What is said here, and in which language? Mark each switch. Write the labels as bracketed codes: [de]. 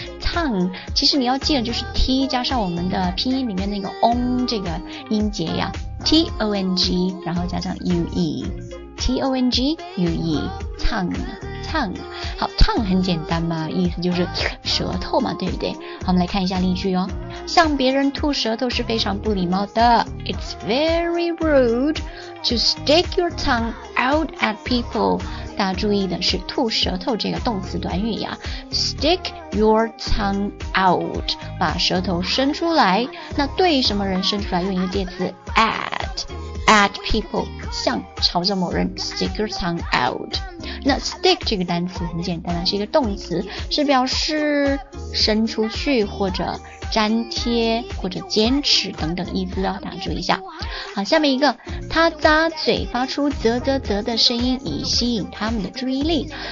[zh] tongue 其实你要记得就是 t 加上我们的拼音里面那个 ong 这个音节呀， t-o-n-g 然后加上 u-e， t-o-n-g u-e tongue。好， tongue 很简单嘛，意思就是舌头嘛，对不对？好，我们来看一下例句哦。向别人吐舌头是非常不礼貌的。 [en] It's very rude to stick your tongue out at people. [zh] 大家注意的是吐舌头这个动词短语呀。 [en] Stick your tongue out, [zh] 把舌头伸出来。那对什么人伸出来用一个介词 at. [en] At people, [zh] 像朝着某人 [en] stick your tongue out. [zh] 那 stick 这个单词很简单，是一个动词，是表示伸出去或者粘贴或者坚持等等意思哦，大家注意一下。好，下面一个，他咂嘴发出啧啧啧的声音以吸引他们的注意力。